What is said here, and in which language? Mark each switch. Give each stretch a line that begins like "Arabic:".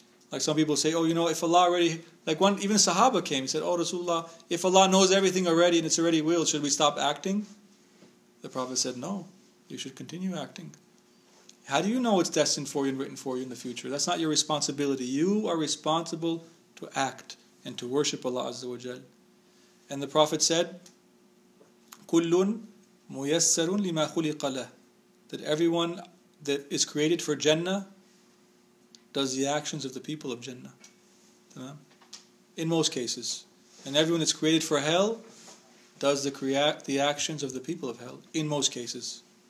English: Like some people say, oh, you know, if Allah already... Like one, even Sahaba came, he said, oh, Rasulullah, if Allah knows everything already and it's already willed, should we stop acting? The Prophet said, no, you should continue acting. How do you know it's destined for you and written for you in the future? That's not your responsibility. You are responsible to act and to worship Allah Azza wa Jal. And the Prophet said,
Arabic: كُلٌّ مُيَسَّرٌ لِمَا خُلِقَ لَهُ.
English: That everyone that is created for Jannah does the actions of the people of Jannah. In most cases. And everyone that's created for hell does the actions of the people of hell. In most cases.